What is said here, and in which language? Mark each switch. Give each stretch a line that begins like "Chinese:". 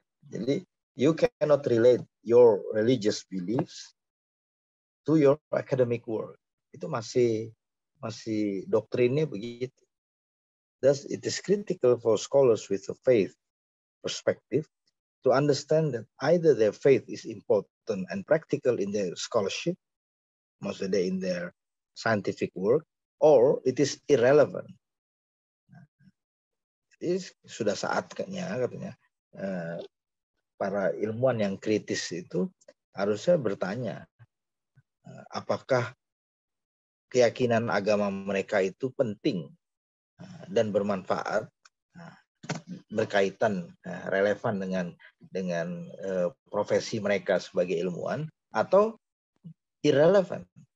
English: Jadi you cannot relate your religious beliefs to your academic work.
Indonesian: Itu masih doktrinnya begitu.
English: Thus it is critical for scholars with a faith perspective to understand that either their faith is important and practical in their scholarship, maksudnya in their scientific work, or it is irrelevant.
Indonesian: Jadi sudah saatnya katanya para ilmuwan yang kritis itu harusnya bertanya apakah keyakinan agama mereka itu penting dan bermanfaat, berkaitan relevan dengan profesi mereka sebagai ilmuwan atau irrelevant.